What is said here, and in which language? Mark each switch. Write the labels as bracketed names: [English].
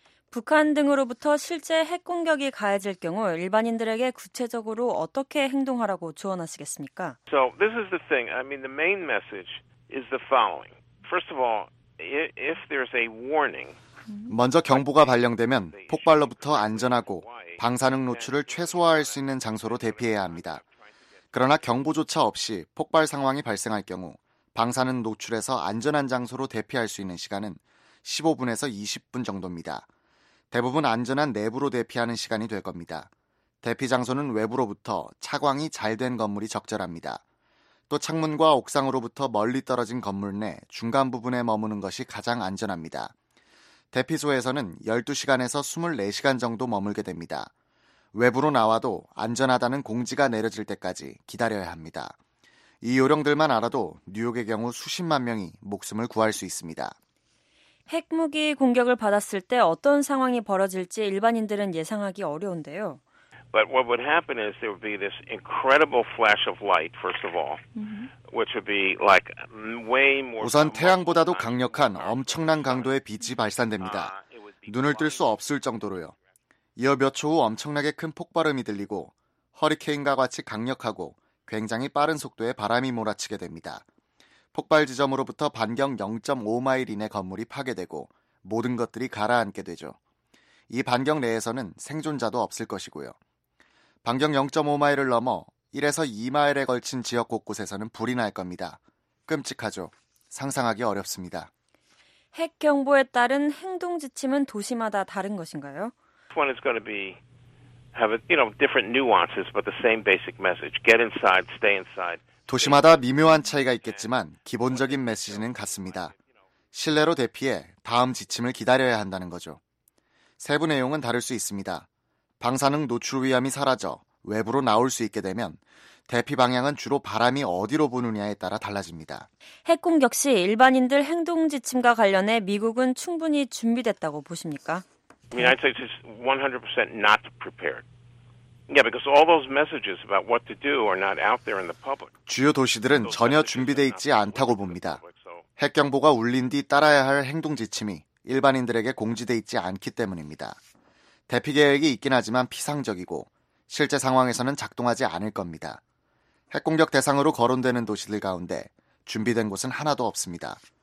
[Korean] 북한 등으로부터 실제 핵 공격이 가해질 경우 일반인들에게 구체적으로 어떻게 행동하라고 조언하시겠습니까? [English] So this is the thing. I mean, the main message is the following. First of all, if there's a warning, [Korean] 먼저 경보가 발령되면 폭발로부터 안전하고 방사능 노출을 최소화할 수 있는 장소로 대피해야 합니다. 그러나 경보조차 없이 폭발 상황이 발생할 경우 방사능 노출에서 안전한 장소로 대피할 수 있는 시간은 15분에서 20분 정도입니다. 대부분 안전한 내부로 대피하는 시간이 될 겁니다. 대피 장소는 외부로부터 차광이 잘 된 건물이 적절합니다. 또 창문과 옥상으로부터 멀리 떨어진 건물 내 중간 부분에 머무는 것이 가장 안전합니다. 대피소에서는 12시간에서 24시간 정도 머물게 됩니다. 외부로 나와도 안전하다는 공지가 내려질 때까지 기다려야 합니다. 이 요령들만 알아도 뉴욕의 경우 수십만 명이 목숨을 구할 수 있습니다. 핵무기 공격을 받았을 때 어떤 상황이 벌어질지 일반인들은 예상하기 어려운데요. [English] But what would happen is there would be this incredible flash of light, first of all, which would be like way more. [Korean] 우선 태양보다도 강력한 엄청난 강도의 빛이 발산됩니다. 눈을 뜰 수 없을 정도로요. 이어 몇 초 후 엄청나게 큰 폭발음이 들리고 허리케인과 같이 강력하고 굉장히 빠른 속도의 바람이 몰아치게 됩니다. 폭발 지점으로부터 반경 0.5마일 이내 건물이 파괴되고 모든 것들이 가라앉게 되죠. 이 반경 내에서는 생존자도 없을 것이고요. 반경 0.5마일을 넘어 1에서 2마일에 걸친 지역 곳곳에서는 불이 날 겁니다. 끔찍하죠. 상상하기 어렵습니다. 핵 경보에 따른 행동 지침은 도시마다 다른 것인가요? [English] One is going to be have you know different nuances but the same basic message. Get inside, stay inside. [Korean] 도시마다 미묘한 차이가 있겠지만 기본적인 메시지는 같습니다. 실내로 대피해 다음 지침을 기다려야 한다는 거죠. 세부 내용은 다를 수 있습니다. 방사능 노출 위험이 사라져 외부로 나올 수 있게 되면 대피 방향은 주로 바람이 어디로 부느냐에 따라 달라집니다. 핵 공격 시 일반인들 행동 지침과 관련해 미국은 충분히 준비됐다고 보십니까? [English] I mean, I'd say it's 100% not prepared. Yeah, because all those messages about what to do are not out there in the public. [Korean] 주요 도시들은 전혀 준비되어 있지 않다고 봅니다. 핵 경보가 울린 뒤 따라야 할 행동 지침이 일반인들에게 공지되어 있지 않기 때문입니다. 대피 계획이 있긴 하지만 피상적이고 실제 상황에서는 작동하지 않을 겁니다. 핵 공격 대상으로 거론되는 도시들 가운데 준비된 곳은 하나도 없습니다.